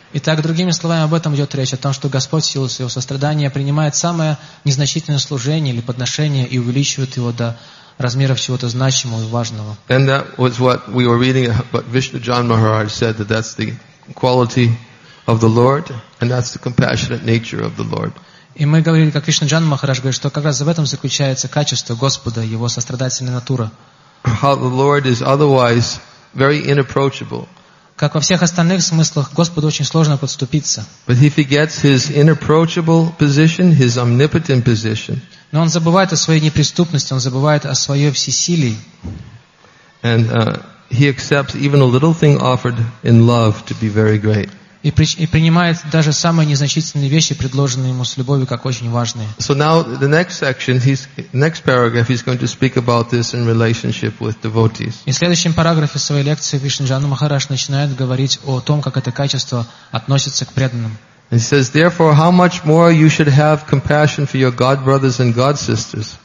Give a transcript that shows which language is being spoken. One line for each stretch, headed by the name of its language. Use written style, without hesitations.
Russian: Итак, другими словами, об этом идет речь, о том, что Господь в силу своего сострадания принимает самое незначительное служение или подношение и увеличивает его до размеров чего-то значимого и важного.
English: And that was what we were reading, what Vishnu John Maharaj said, that that's the quality of the Lord, and that's the compassionate nature of the Lord.
Russian: И мы говорили, как Вишну Джан Махарадж говорит, что как раз в этом заключается качество Господа, Его сострадательная натура.
English: How the Lord is otherwise very inapproachable.
Russian: Как во всех остальных смыслах, Господу очень сложно подступиться.
English: But he forgets his inapproachable position, his omnipotent position.
Russian: Но он забывает о своей неприступности, он забывает о своей всесилии.
English: And he accepts even a little thing offered in love to be very great.
Russian: И принимает даже самые незначительные вещи, предложенные ему с любовью, как очень важные.
English: So now the next section, next paragraph, he's going to speak about this in relationship with devotees.
Russian: И в следующем параграфе своей лекции Вишну Джану Махарадж начинает говорить о том, как это качество относится к преданным.
English: And he says, therefore, how much more you should have compassion for your God brothers and God sisters.